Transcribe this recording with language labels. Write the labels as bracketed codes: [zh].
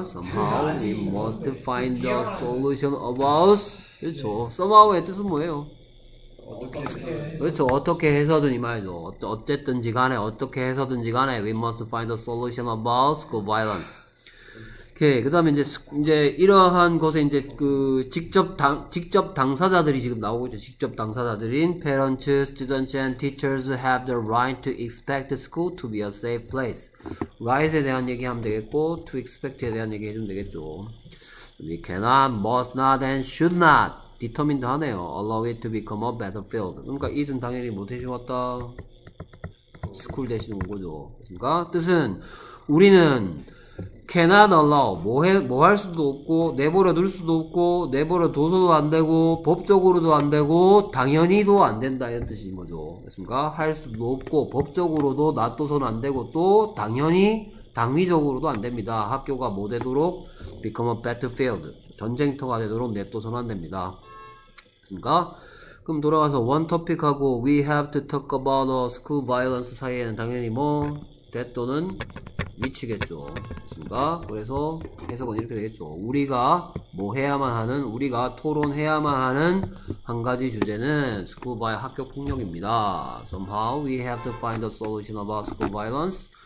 [en] somehow we must find a solution about [ko] 그렇죠. somehow의 뜻은 뭐예요? 어떻게 그렇죠. 어떻게 해서든 이 말이죠. 어쨌든지 간에 어떻게 해서든지 간에 [en] we must find a solution about school violence. 오케이. [ko] 그다음에 이제 이러한 것에 이제 그 직접 당사자들이 지금 나오고 있죠. 직접 당사자들인 [en] parents, students and teachers have the right to expect school to be a safe place. [ko] right에 대한 얘기하면 되겠고 to expect에 대한 얘기 해주면 되겠죠. [en] we cannot, must not and should not determined [ko] 하네요. [en] allow it to become a battlefield. [ko] 그러니까 it은 당연히 못해주었다. school 대신 온 거죠. 그렇습니까? 뜻은 우리는 cannot allow 뭐 할 수도 없고 내버려 둘 수도 없고 내버려 둬서도 안 되고 법적으로도 안 되고 당연히도 안 된다 이런 뜻인 거죠. 됐습니까? 할 수도 없고 법적으로도 놔둬서는 안 되고 또 당연히 당위적으로도 안 됩니다. 학교가 뭐 되도록 [en] become a battlefield [ko] 전쟁터가 되도록 냅둬서는 안 됩니다. 됐습니까? 그럼 돌아가서 one topic 하고 [en] we have to talk about a school violence [ko] 사이에는 당연히 뭐 that 또는 미치겠죠. 됐습니까? 그래서 해석은 이렇게 되겠죠. 우리가 뭐 해야만 하는, 우리가 토론해야만 하는 한 가지 주제는 스쿨바의 학교 폭력입니다. [en] Somehow we have to find a solution about school violence.